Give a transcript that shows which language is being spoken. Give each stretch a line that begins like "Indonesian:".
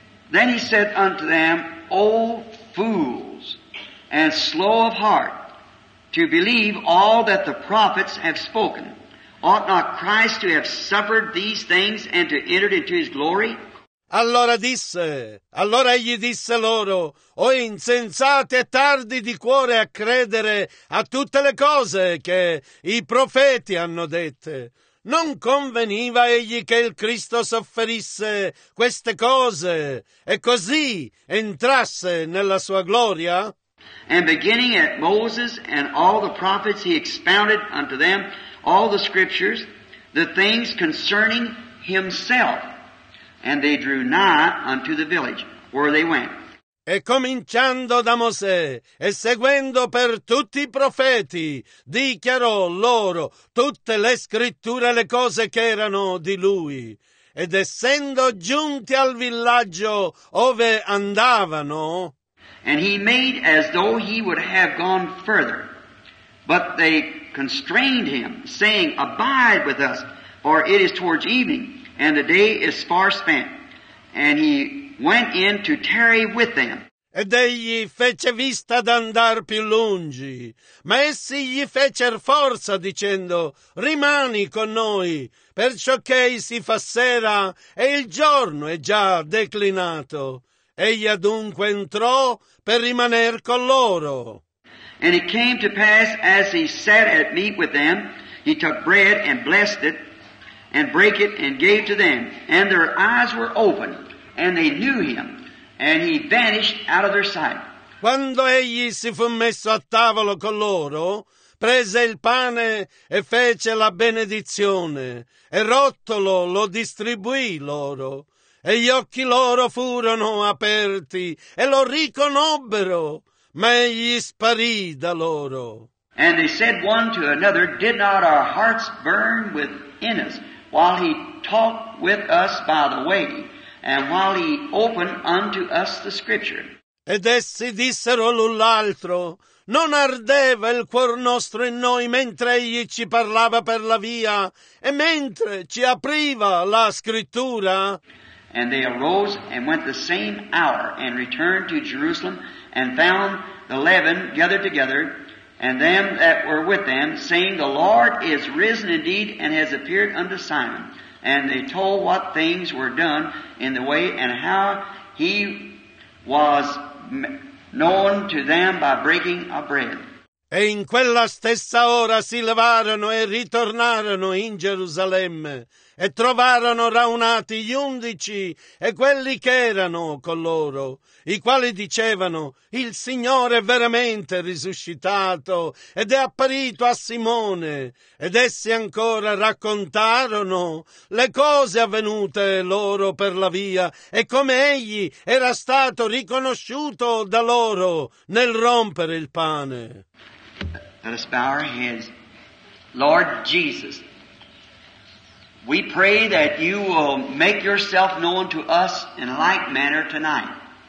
English: Then he said unto them, O fools and slow of heart to believe all that the prophets have spoken, ought not Christ to have suffered these things and to enter into his glory?
Italian: Allora egli disse loro, o insensate e tardi di cuore a credere a tutte le cose che i profeti hanno dette. Non conveniva egli che il Cristo sofferisse queste cose e così entrasse nella sua gloria?
English: And beginning at Moses and all the prophets, he expounded unto them all the scriptures, the things concerning himself. And they drew nigh unto the village where they went.
Italian: E cominciando da Mosè e seguendo per tutti i profeti, dichiarò loro tutte le scritture, le cose che erano di lui. Ed essendo giunti al villaggio ove andavano,
English: and he made as though he would have gone further, but they constrained him, saying, abide with us, for it is towards evening, and the day is far spent. And he went in to tarry with them.
Italian: Ed egli fece vista d'andar più lungi, ma essi gli fecer forza, dicendo, rimani con noi, perciò che si fa sera, e il giorno è già declinato. Egli adunque entrò per rimaner con loro.
English: And it came to pass, as he sat at meat with them, he took bread and blessed it, and break it, and gave to them. And their eyes were opened, and they knew him, and he vanished out of their sight.
Italian: Quando egli si fu messo a tavola con loro, prese il pane e fece la benedizione, e rottolo lo distribuì loro, e gli occhi loro furono aperti, e lo riconobbero, ma egli sparì da loro.
English: And they said one to another, did not our hearts burn within us while he talked with us by the way, and while he opened unto us the scripture?
Italian: Ed essi dissero l'un l'altro, non ardeva il cuor nostro in noi mentre egli ci parlava per la via, e mentre ci apriva la scrittura?
English: And they arose and went the same hour, and returned to Jerusalem, and found the 11 gathered together, and them that were with them, saying, the Lord is risen indeed, and has appeared unto Simon. And they told what things were done in the way, and how he was known to them by breaking of bread.
Italian: E in quella stessa ora si levarono e ritornarono in Gerusalemme, e trovarono raunati gli undici e quelli che erano con loro, i quali dicevano, il Signore è veramente risuscitato ed è apparito a Simone. Ed essi ancora raccontarono le cose avvenute loro per la via e come egli era stato riconosciuto da loro nel rompere il pane.
English: Let us bow our heads. Lord Jesus, we pray that you will make yourself known to us in like manner tonight.